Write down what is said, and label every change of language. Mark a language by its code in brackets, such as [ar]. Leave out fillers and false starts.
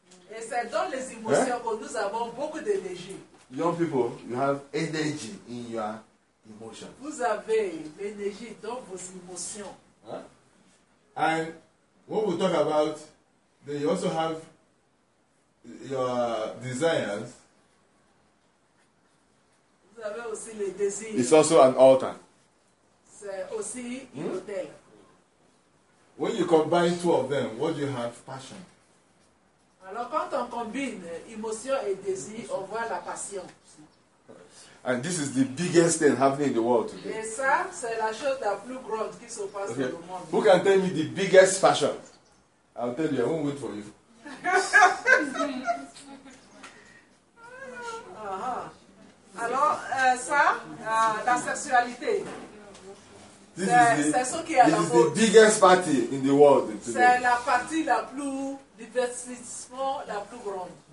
[fr] Et c'est dans les émotions que nous avons beaucoup d'énergie. [en] Young people, you have energy in your emotions. [fr] Vous avez l'énergie dans vos émotions. Huh? [en] And when we talk about, then you also have your desires. [fr] Vous avez aussi les désirs. [en] It's also an altar. [fr] C'est aussi un autel. [en] When you combine two of them, what do you have? Passion. [fr] Alors, quand on combine émotion et désir, on voit la passion. [en] And this is the biggest thing happening in the world today. [fr] Et ça, c'est la chose la plus grande qui se passe dans le monde. [en] Who can tell me the biggest passion? I'll tell you, I won't wait for you. [fr] Alors, la sexualité. [en] This is the biggest party in the world today. [fr] C'est la partie la plus divertissement, la plus grande.